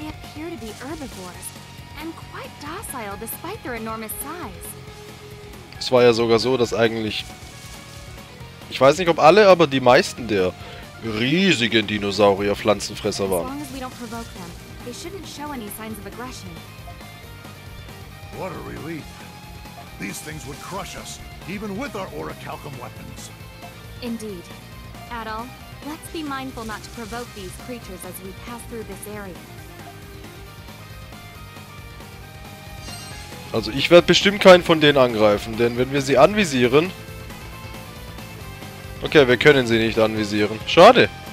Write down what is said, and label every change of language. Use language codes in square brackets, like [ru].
[en] They appear to be herbivores and quite docile despite their enormous size. [de] Es war ja sogar so, dass eigentlich, ich weiß nicht ob alle, aber die meisten der riesigen Dinosaurier Pflanzenfresser waren. [en] As long as we don't provoke them, they shouldn't show any signs of aggression. What a relief. These things would crush us, even with our orichalcum weapons. Indeed. Adol, let's be mindful not to provoke these creatures as we pass through this area. [de] Also ich werde bestimmt keinen von denen angreifen, denn wenn wir sie anvisieren... Okay, wir können sie nicht anvisieren. Schade.